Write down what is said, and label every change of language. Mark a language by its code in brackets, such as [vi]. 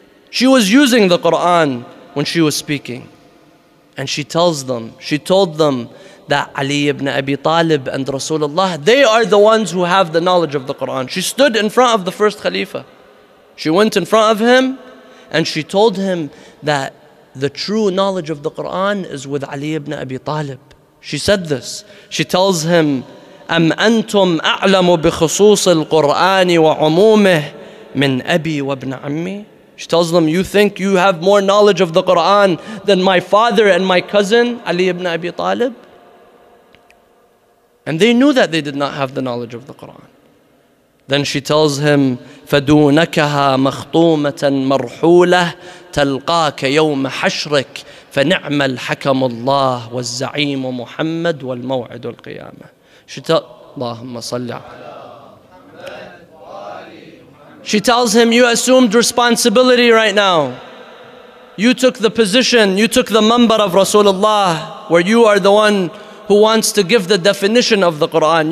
[en] She was using the Quran when she was speaking. And she told them that Ali ibn Abi Talib and Rasulullah, they are the ones who have the knowledge of the Quran. She stood in front of the first Khalifa. She went in front of him and she told him that the true knowledge of the Quran is with Ali ibn Abi Talib. She said this. She tells him, [ar] أَمْ أَنْتُمْ أَعْلَمُ بِخُصُوصِ الْقُرْآنِ وَعُمُومِهِ مِنْ أَبِي وَابْنَ عَمِّي. [en] She tells them, you think you have more knowledge of the Quran than my father and my cousin, Ali ibn Abi Talib? And they knew that they did not have the knowledge of the Quran. Then she tells him, [ar] فَدُونَكَهَا مَخْطُومَةً مَرْحُولَةً تَلْقَاكَ يَوْمَ حَشْرِكَ فَنِعْمَ الْحَكَمُ اللَّهُ وَالزَّعِيمُ مُحَمَّدُ وَالْمَوْعِدُ الْقِيَامَةِ. اللهم صل على [en] She tells him, you assumed responsibility right now. You took the position, you took the manbar of Rasulullah, where you are the one who wants to give the definition of the Quran.